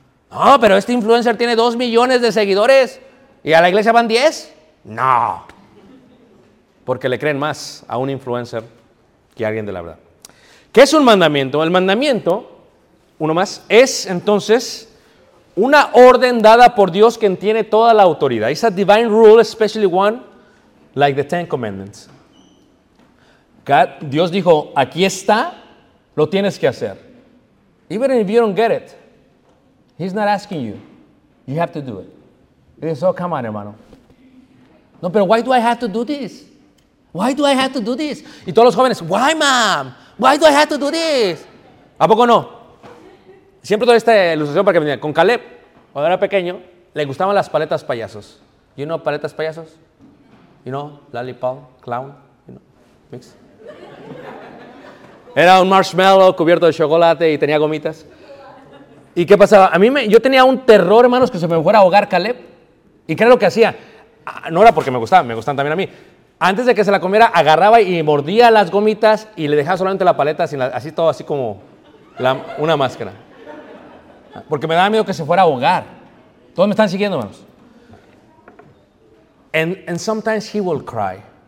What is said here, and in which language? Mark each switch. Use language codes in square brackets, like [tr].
[es] No, pero este influencer tiene 2 millones de seguidores y a la iglesia van 10. No. Porque le creen más a un influencer que a alguien de la verdad. ¿Qué es un mandamiento? El mandamiento, uno más, es entonces una orden dada por Dios quien tiene toda la autoridad. [en] It's a divine rule, especially one like the Ten Commandments. [es] God, Dios dijo, aquí está, lo tienes que hacer. [en] Even if you don't get it, he's not asking you. You have to do it. He says, come on, hermano. [es] No, pero [en] why do I have to do this? Why do I have to do this? [es] Y todos los jóvenes, [en] why, mom? Why do I have to do this? [es] ¿A poco no? Siempre doy esta ilustración para que me digan. Con Caleb, cuando era pequeño, le gustaban las paletas payasos. [en] ¿You know paletas payasos? ¿You know? Lollipop, clown, you know? Mix. [es] Era un marshmallow cubierto de chocolate y tenía gomitas. ¿Y qué pasaba? Yo tenía un terror, hermanos, que se me fuera a ahogar Caleb. Y ¿qué era lo que hacía? No era porque me gustaba, me gustan también a mí. Antes de que se la comiera, agarraba y mordía las gomitas y le dejaba solamente la paleta, sin la, así todo, así como la, una máscara. Porque me daba miedo que se fuera a ahogar. ¿Todos me están siguiendo, hermanos? [en] And sometimes he will cry.